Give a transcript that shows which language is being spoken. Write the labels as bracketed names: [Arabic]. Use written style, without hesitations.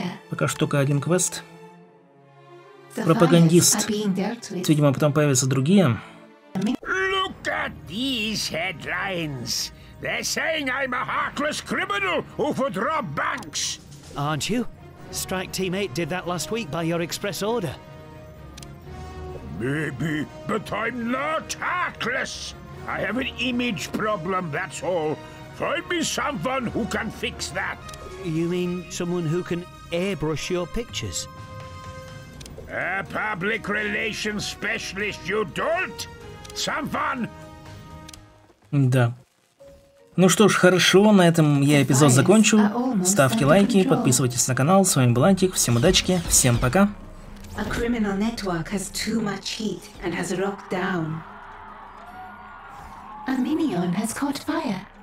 [Russian] Пока что только один квест. Пропагандист. Видимо, потом появятся другие. [English] Look at these headlines. They're saying I'm a heartless criminal who would rob banks. Aren't you? Strike Team 8 did that last week by your express order. Maybe, but I'm not heartless. I have an image problem, that's all. Find me someone who can fix that. You mean someone who can airbrush your pictures? A public relations specialist, you dolt! Someone! [Russian] Да. Ну что ж, хорошо, на этом я эпизод закончу. Ставьте лайки, подписывайтесь на канал. С вами был Антик, всем удачки, всем пока. [English] A criminal network has too much heat and has rocked down. A minion has caught fire.